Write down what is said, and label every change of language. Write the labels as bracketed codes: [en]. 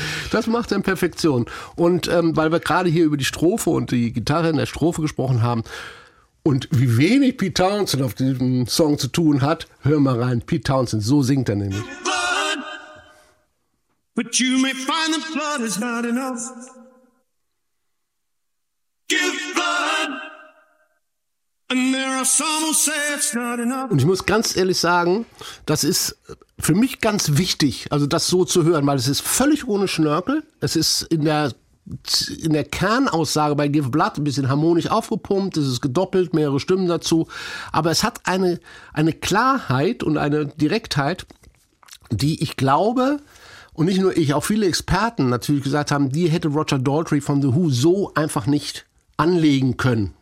[de] Das macht er in Perfektion. Und weil wir gerade hier über die Strophe und die Gitarre in der Strophe gesprochen haben, und wie wenig Pete Townsend auf diesem Song zu tun hat, hör mal rein, Pete Townsend, so singt er nämlich. [en] Blood, but you may find the blood is not enough. Give blood, and there are some who say it's not enough. [de] Und ich muss ganz ehrlich sagen, das ist für mich ganz wichtig, also das so zu hören, weil es ist völlig ohne Schnörkel, es ist in der Kernaussage bei Give Blood ein bisschen harmonisch aufgepumpt, es ist gedoppelt, mehrere Stimmen dazu, aber es hat eine Klarheit und eine Direktheit, die ich glaube, und nicht nur ich, auch viele Experten natürlich gesagt haben, die hätte Roger Daltrey von The Who so einfach nicht anlegen können.